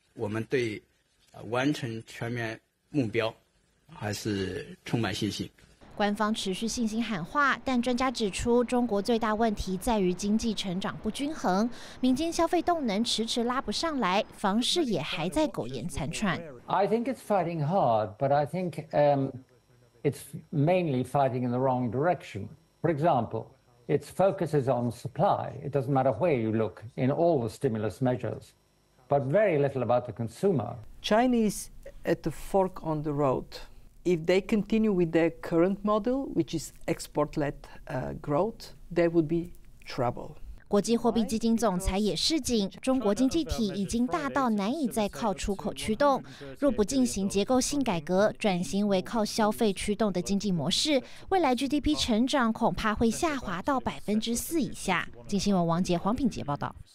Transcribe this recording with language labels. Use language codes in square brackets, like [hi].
[zh] 我们对完成全面目标还是充满信心。官方持续信心喊话，但专家指出，中国最大问题在于经济成长不均衡，民间消费动能迟迟拉不上来，房市也还在苟延残喘。 [en] I think it's fighting hard, but I think it's mainly fighting in the wrong direction. For example, its focus is on supply. It doesn't matter where you look in all the stimulus measures. But very little about the consumer. Chinese at the fork on the road. If they continue with their current model, which is export-led growth, there would be trouble. [zh] 国际货币基金总裁也示警，中国经济体已经大到难以再靠出口驱动。若不进行结构性改革，转型为靠消费驱动的经济模式，未来 GDP 成长恐怕会下滑到4%以下。经新闻王杰、黄品杰报道。